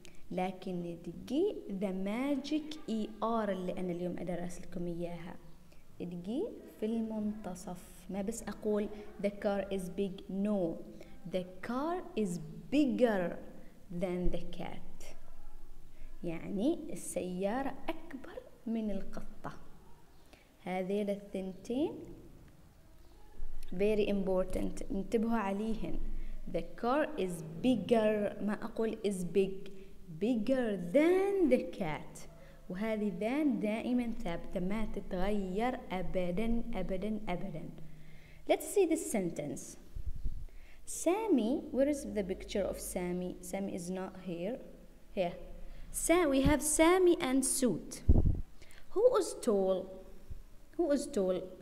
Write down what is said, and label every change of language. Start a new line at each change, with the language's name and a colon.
Arabic: لكن دقي
English: the magic ER
Arabic: اللي أنا اليوم أدرس لكم إياها, دقي في المنتصف, ما بس أقول
English: the car is big, no, the car is bigger than the cat,
Arabic: يعني السيارة أكبر من القطة. هذين الثنتين
English: very important,
Arabic: انتبهوا عليهن.
English: The car is bigger,
Arabic: ما أقول
English: is big, bigger than the cat.
Arabic: وهذه than دائما ثابتة, ما تتغير أبدا أبدا أبدا.
English: Let's see this sentence. Sammy, where is the picture of Sammy? Sammy is not here. We have Sammy and Suit. Who is tall? Who is tall?